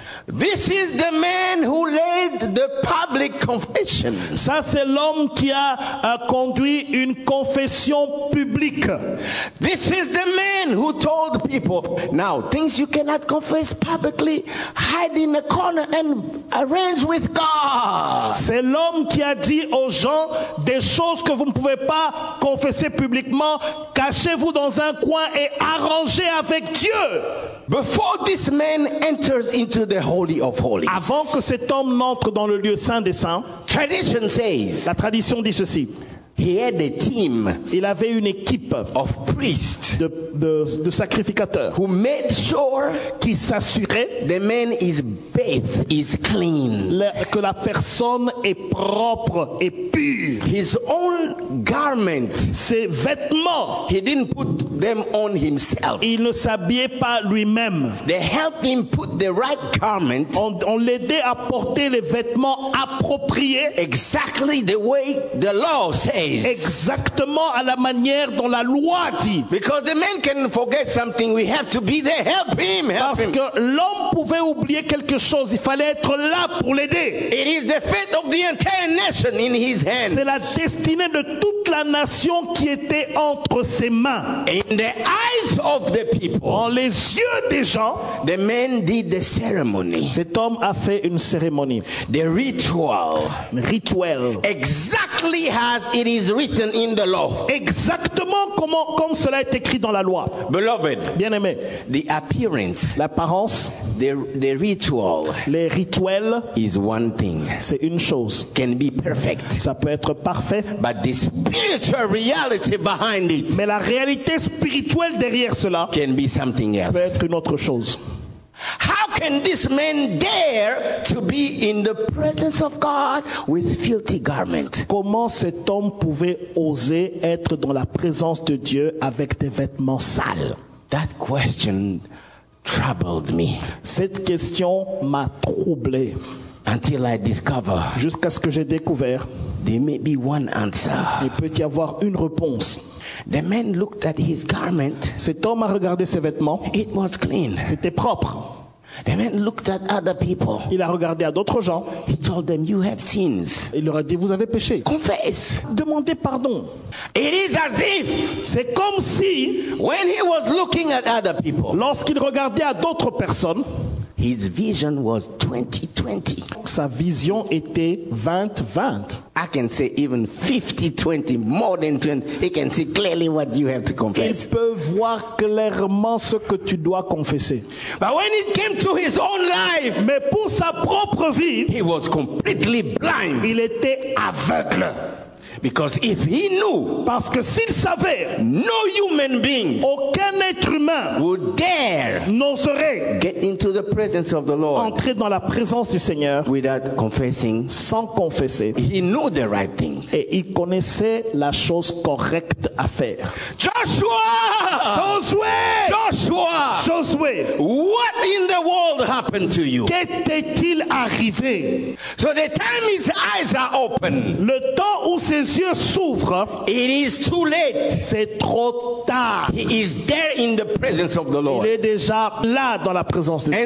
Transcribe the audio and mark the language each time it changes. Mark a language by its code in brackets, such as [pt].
[en] This is the man who led the public confession. [fr] Ça, c'est l'homme qui a conduit une confession publique. [en] This is the man who told people, now, things you cannot confess publicly, hide in a corner and arrange with God. [fr] C'est l'homme qui a dit aux gens, des choses que vous ne pouvez pas confesser publiquement, cachez-vous dans un coin et arrangez avec Dieu. [en] Before this man enters into the Holy of Holies. [fr] Avant que cet homme n'entre dans le lieu saint des saints, [en] tradition says, [fr] la tradition dit ceci. [en] He had a team. [fr] Il avait une équipe [en] of priests [fr] de sacrificateurs [en] who made sure [fr] qui s'assurait [en] the man is bathed, is clean. [fr] Que la personne est propre et pure. [en] His own garment. [fr] Ses vêtements. [en] He didn't put them on himself. [fr] Il ne s'habillait pas lui-même. [en] They helped him put the right garment. [fr] On l'aidait à porter les vêtements appropriés. [en] Exactly the way the law says. [fr] Exactement à la manière dont la loi dit. [en] Because the man can forget something, we have to be there, help him, help [fr] Parce que l'homme pouvait oublier quelque chose, il fallait être là pour l'aider. [en] It is the fate of the entire nation in his hands. [fr] C'est la destinée de toute la nation qui était entre ses mains. [en] In the eyes of the people. [fr] Dans les yeux des gens, [en] the man did the ceremony. [fr] Cet homme a fait une cérémonie. [en] The ritual. [fr] Rituel. [en] Exactly as it is written in the law. [fr] Exactement comme cela est écrit dans la loi. [en] Beloved, [fr] bien-aimé, [en] the appearance, [fr] l'apparence, [en] the ritual, [fr] les rituels, [en] is one thing. [fr] C'est une chose. [en] Can be perfect. [fr] Ça peut être parfait. [en] But the spiritual reality behind it. [fr] Mais la réalité spirituelle derrière cela [en] can be something else. [fr] Peut être une autre chose. [en] How can this man dare to be in the presence of God with filthy garments? [fr] Comment cet homme pouvait oser être dans la présence de Dieu avec des vêtements sales? [en] That question troubled me. [fr] Cette question m'a troublé. [en] Until I discover. [fr] Jusqu'à ce que j'ai découvert. [en] There may be one answer. [fr] Il peut y avoir une réponse. [en] The man looked at his garment. [fr] Cet homme a regardé ses vêtements. [en] It was clean. [fr] C'était propre. [en] The man looked at other people. [fr] Il a regardé à d'autres gens. [en] He told them, "You have sins." [fr] Il leur a dit, vous avez péché. [en] Confess. [fr] Demandez pardon. [en] It is as if. [fr] C'est comme si. [en] When he was looking at other people. [fr] Lorsqu'il regardait à d'autres personnes. [en] His vision was 20/20. [fr] Sa vision était 20/20. [en] I can say even 50/20, more than 20. He can see clearly what you have to confess. [fr] Il peut voir clairement ce que tu dois confesser. [en] But when it came to his own life, [fr] mais pour sa propre vie, [en] he was completely blind. [fr] Il était aveugle. [en] Because if he knew, [fr] parce que s'il savait, [en] no human being, [fr] aucun être humain, [en] would dare, [fr] n'oserait, [en] get into the presence of the Lord, [fr] entrer dans la présence du Seigneur, [en] without confessing, [fr] sans confesser. [en] He knew the right thing, [fr] et il connaissait la chose correcte à faire. [en] Joshua, what in the world happened to you? [fr] Qu'était-il arrivé? [en] So the time his eyes are open, [fr] le temps où ses yeux s'ouvrent. [en] It is too late. [fr] C'est trop tard. [en] He is there in the presence of the Lord. [fr] Il est déjà là dans la présence de Dieu.